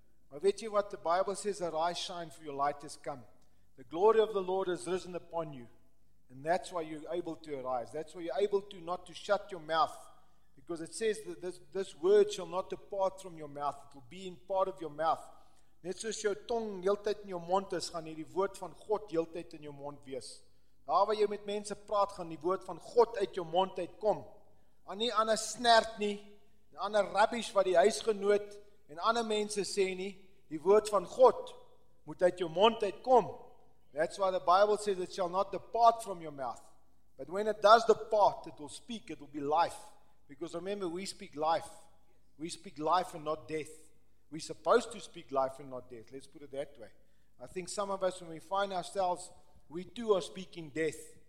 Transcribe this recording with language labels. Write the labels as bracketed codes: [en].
[af] Maar weet jy wat, [en] the Bible says, arise, shine, for your light has come. The glory of the Lord has risen upon you. And that's why you're able to arise. That's why you're able to not to shut your mouth. Because it says that this word shall not depart from your mouth. It will be in part of your mouth. [af] Net soos jou tong heeltyd in jou mond is, gaan hierdie woord van God heeltyd in jou mond wees. Daar waar jy met mense praat, gaan die woord van God uit jou mond uitkom. Aan nie ander snert nie, en ander rubbish wat die huisgenoot en ander mense sê nie. Die woord van God moet uit jou mond uitkom. [en] That's why the Bible says it shall not depart from your mouth. But when it does depart, it will speak, it will be life. Because remember, we speak life. We speak life and not death. We're supposed to speak life and not death. Let's put it that way. I think some of us, when we find ourselves, we too are speaking death.